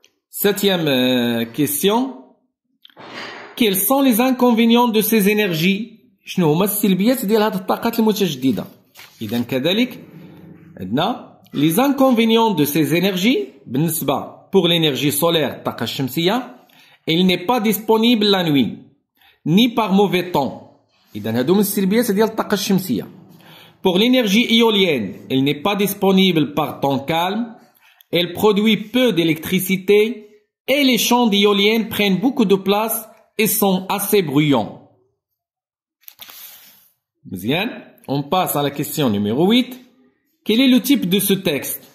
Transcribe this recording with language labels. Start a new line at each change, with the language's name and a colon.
French: Septième question. Quels sont les inconvénients de ces énergies?
Arabic: شنو هما السلبيات ديال هاد الطاقات المتجددة؟ إذا كذلك عندنا
French: les inconvénients de ces énergies بالنسبة pour l'énergie solaire,
Arabic: الطاقة الشمسية,
French: elle n'est pas disponible la nuit, ni par mauvais temps.
Arabic: إذا هادو هما السلبيات ديال الطاقة الشمسية.
French: Pour l'énergie éolienne, elle n'est pas disponible par temps calme, elle produit peu d'électricité et les champs d'éoliennes prennent beaucoup de place et sont assez bruyants. Bien, on passe à la question numéro 8. Quel est le type de ce texte?